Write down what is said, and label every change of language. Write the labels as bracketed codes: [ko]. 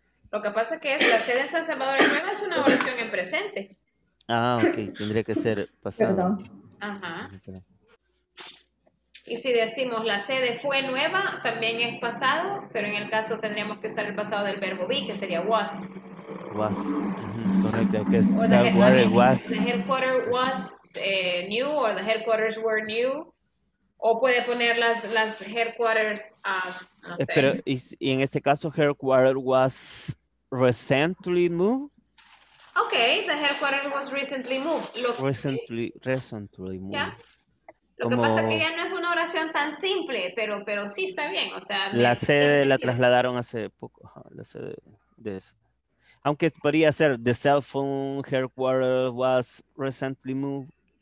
[es] Lo que pasa es que la sede en San Salvador es nueva, es una oración en presente. Ok, tendría que ser pasado. Perdón. Ajá. Y si decimos la sede fue nueva, también es pasado, pero en el caso tendríamos que usar el pasado del verbo be, que sería was. [en] Was. [es] Correcto, que es [en] the headquarter, I mean, was. The headquarters was new, or the headquarters were new. [es] O puede poner las [en] headquarters of, [es] espero, y en este caso, [en] headquarters was recently moved. Okay, the headquarters was recently moved. Recently moved. Yeah. [es] Lo como... que pasa es que ya no es una oración tan simple, pero sí está bien. O sea, la sede la trasladaron hace poco. Ajá, la sede de eso. Aunque podría ser, [en] the cell phone headquarters was recently moved.